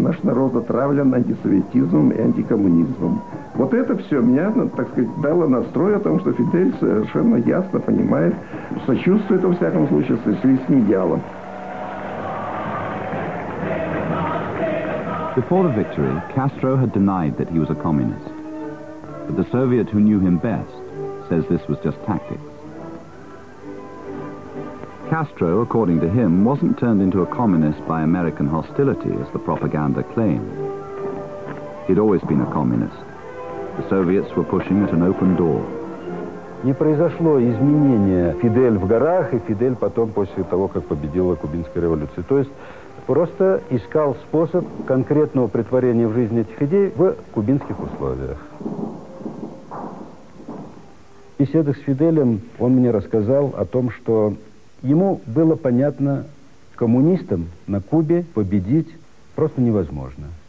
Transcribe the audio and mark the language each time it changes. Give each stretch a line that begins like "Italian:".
Russian: Наш народ отравлен антисоветизмом и антикоммунизмом. Вот это все меня, так сказать, дало настрой о том, что Фидель совершенно ясно понимает, сочувствует, во всяком случае, сошли с ним идеалом.
English: Before the victory, Castro had denied that he was a communist. But the Soviet who knew him best says this was just tactics. Castro, according to him, wasn't turned into a communist by American hostility, as the propaganda claimed. He'd always been a communist. The Soviets were pushing at an open door.
Russian: Не произошло изменения Фидель в горах и Фидель потом после того, как победила кубинская революция. То есть просто искал способ конкретного претворения в жизни этих идей в кубинских условиях. В беседах с Фиделем он мне рассказал о том, что ему было понятно, коммунистам на Кубе победить просто невозможно.